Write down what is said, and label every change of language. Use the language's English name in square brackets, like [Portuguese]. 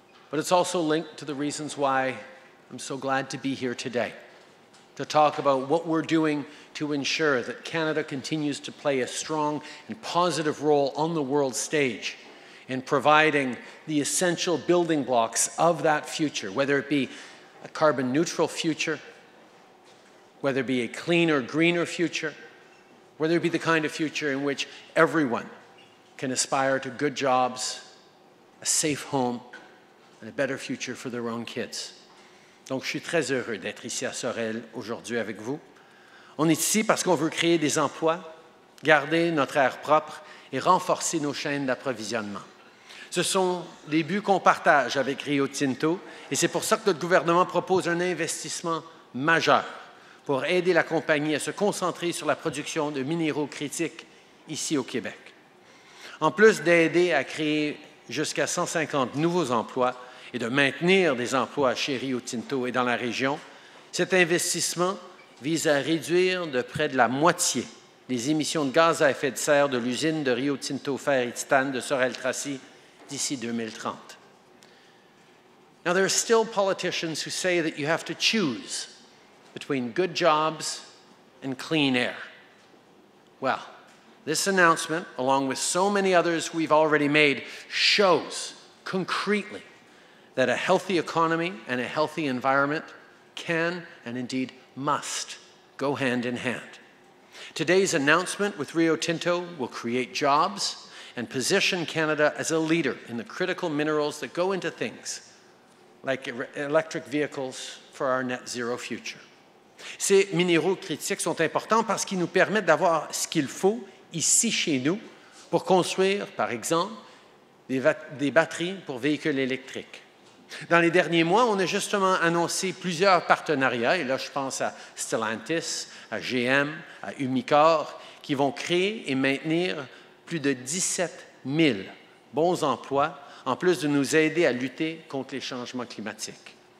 [English] But it's also linked to the reasons why I'm so glad to be here today, to talk about what we're doing to ensure that Canada continues to play a strong and positive role on the world stage in providing the essential building blocks of that future, whether it be a carbon neutral future, whether it be a cleaner, greener future, whether it be the kind of future in which everyone can aspire to good jobs, a safe home, and a better future for their own kids. [French] Donc, je suis très heureux d'être ici à Sorel aujourd'hui avec vous. On est ici parce qu'on veut créer des emplois, garder notre air propre et renforcer nos chaînes d'approvisionnement. Ce sont des buts qu'on partage avec Rio Tinto et c'est pour ça que notre gouvernement propose un investissement majeur pour aider la compagnie à se concentrer sur la production de minéraux critiques ici au Québec. En plus d'aider à créer jusqu'à 150 nouveaux emplois et de maintenir des emplois chez Rio Tinto et dans la région, cet investissement vise à réduire de près de la moitié les émissions de gaz à effet de serre de l'usine de Rio Tinto Fer et Titane de Sorel-Tracy d'ici 2030. [English] Now, there are still politicians who say that you have to choose between good jobs and clean air. Well, this announcement, along with so many others we've already made, shows concretely that a healthy economy and a healthy environment can, and indeed must, go hand in hand. Today's announcement with Rio Tinto will create jobs and position Canada as a leader in the critical minerals that go into things like electric vehicles for our net zero future. [French] Ces minéraux critiques sont importants parce qu'ils nous permettent d'avoir ce qu'il faut ici chez nous pour construire, par exemple, des batteries pour véhicules électriques. Dans les derniers mois, on a justement annoncé plusieurs partenariats, et là je pense à Stellantis, à GM, à Umicore, qui vont créer et maintenir plus de 17 000 bons emplois, en plus de nous aider à lutter contre les changements climatiques.